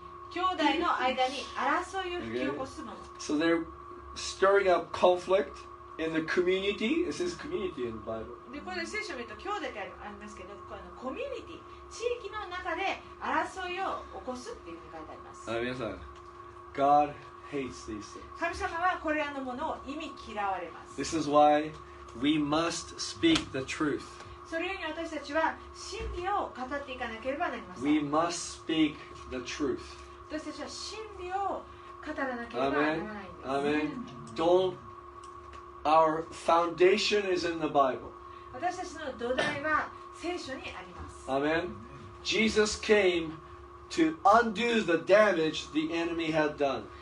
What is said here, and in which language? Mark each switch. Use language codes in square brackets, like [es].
[ja] 兄弟の間に争いを引き起こすもの、 [en] okay? So they're stirring up conflictIn the community, it says community in the Bible. [ja] で、これ聖書を見ると兄弟ってありますけど、このコミュニティ、地域の中で争いを起こすっていうふうに書いてあります。あ、皆さん、 [en] God hates these things. [ja] 神様はこれらのものを忌み嫌われます。 [en] This is why we must speak the truth. [ja] それゆえに私たちは真理を語っていかなければなりません。 [en] We must speak the truth. [ja] 私たちは真理を語らなければならないんです。 [en] Amen. Don't. Our foundation is in the Bible. [ja] 私たちの土台は聖書にあります。 [en] Amen. Jesus came to undo the damage the enemy had done.